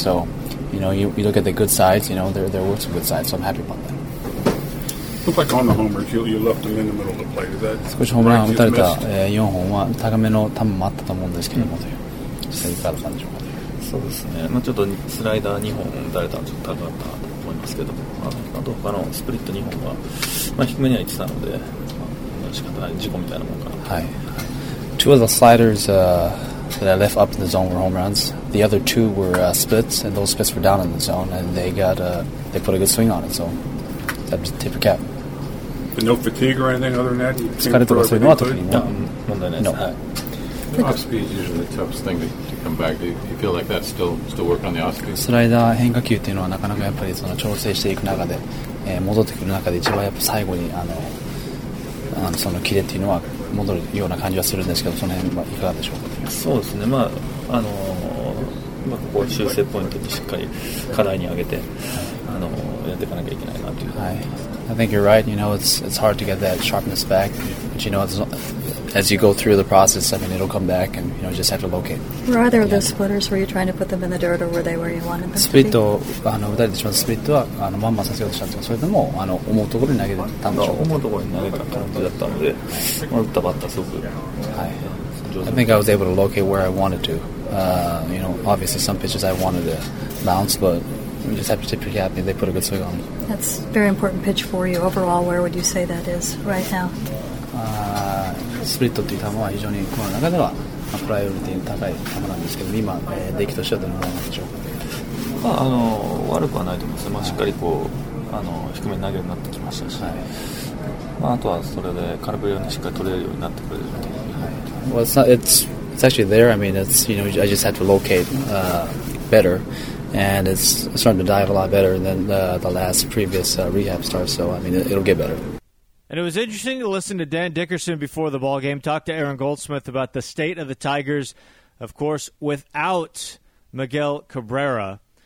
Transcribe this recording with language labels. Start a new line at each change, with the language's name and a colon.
English: So, you look at the good sides, there were some good sides. So I'm happy about that. looked like on the homers, you left him in the middle of the plate. Is that
Japanese: 少しホームランを打たれた4本は高めの球もあったと思うんですけども、うん、という正解だったんでしょうか。そうですね、まあ、ちょっとスライダー2本打たれたのちょっと高かったなと思いますけども、あと他のスプリット2本は、まあ、低めには行ってたので、まあ、仕方ない事故みたいなもんかな。
English: はい、Two of the sliders that I left up in the zone were home runs. The other two were splits, and those splits were down in the zone, and they put a good swing on it. So that was tip of cap. But no fatigue or anything other than that? You can't throw everything good? No. Off speed is usually the toughest thing to come back. Do you feel like that's still working on the off speed?
Japanese: スライダー変化球っていうのはなかなかやっぱりその調整していく中で、戻ってくる中で一番やっぱ最後にそのキレっていうのは戻るような感じはするんですけど、その辺はいかがでしょうか。そうですね、まあまあ、ここを修正ポイントにしっかり課題に上げて、やっていかなきゃいけないなというふうに思います、
English: はい、I think you're right. You know, it's hard to get that sharpness back. But you know, as you go through the process, I mean, it'll come back and you know, just have to locate. Were either of those splitters, were you trying to put them in the dirt or were they where you wanted them?
Japanese: スプリットを打たれてしまったスプリットはまんまさせようとしたんですが、それでも思うところに投げたんでしょうか。思うところに投げた感じだったので、まあ、打ったバッターすごく、
English: はい、I think I was able to locate where I wanted to. You know, obviously some pitches I wanted to bounce, but you just have to tip your cap. They put a good swing on me. That's a very important pitch for you. Overall, where would you say that is right now?
Japanese: Split っていう球は非常にこの中ではプライオリティの高い球なんですけど、今出来としてはどのようなんでしょうか。悪くはないと思います。まあしっかりこう低めに投げるようになってきましたし、はい、まああとはそれで空振りをしっかり取れるようになってくれる。
English: Well, it's actually there. I mean, it's, you know, I just had to locate better, and it's starting to dive a lot better than the last previous rehab start. So, I mean, it'll get better. And it was interesting to listen to Dan Dickerson before the ball game talk to Aaron Goldsmith about the state of the Tigers, of course, without Miguel Cabrera.